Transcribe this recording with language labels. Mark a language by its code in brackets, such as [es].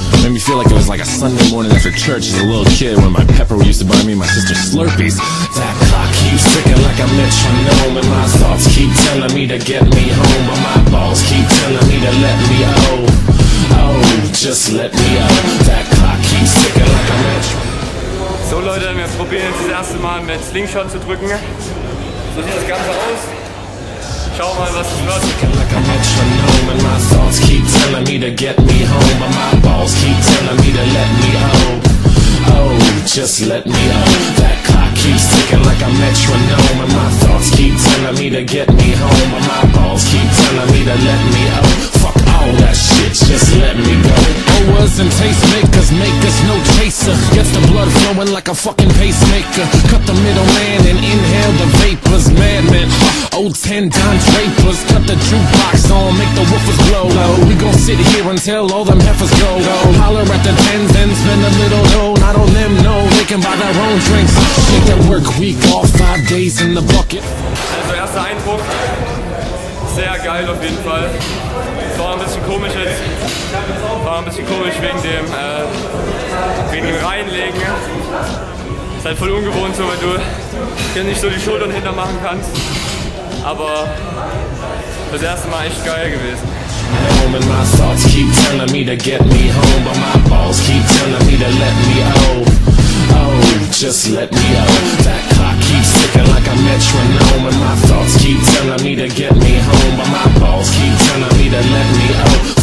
[en] It made me feel like it was like a Sunday morning after church as a little kid when my pepper used to buy me and my sister Slurpees. That clock keeps ticking like a metronome, and my thoughts keep telling me to get me home, but my balls keep telling me to let me out. Oh, just let me out. That clock keeps ticking like a metronome. [de] So Leute, wir probieren jetzt das erste Mal mit Slingshot zu drücken. So sieht das Ganze aus. Schau mal, was es wird. [en] Like a metronome, and my thoughts keep telling me to get me home, but my balls keep telling me to let me out. Just let me out. That clock keeps ticking like a metronome, and my thoughts keep telling me to get me home, but my balls keep telling me to let me out. Fuck all that shit, just let me go. Owers and tastemakers make us no chaser. Gets the blood flowing like a fucking pacemaker. Cut the middleman and inhale the vapors. Madman, old 10 Don Drapers. Cut the jukebox on, make the woofers blow. We gon' sit here until all them heifers go. Holler at the tens and spend a little dough. Not on them, no, they can buy their own drinks. Take that work week off, 5 days in the bucket. [de] Also, erster Eindruck. Sehr geil auf jeden Fall. War ein bisschen komisch jetzt. War ein bisschen komisch wegen dem Reinlegen. Ist halt voll ungewohnt so, weil du hier nicht so die Schultern hinter machen kannst. Aber das erste Mal echt geil gewesen. [en] And my thoughts keep telling me to get me home, but my balls keep telling me to let me out. Oh, just let me out. That clock keeps ticking like a metronome, and my thoughts keep telling me to get me home, but my balls keep telling me to let me out.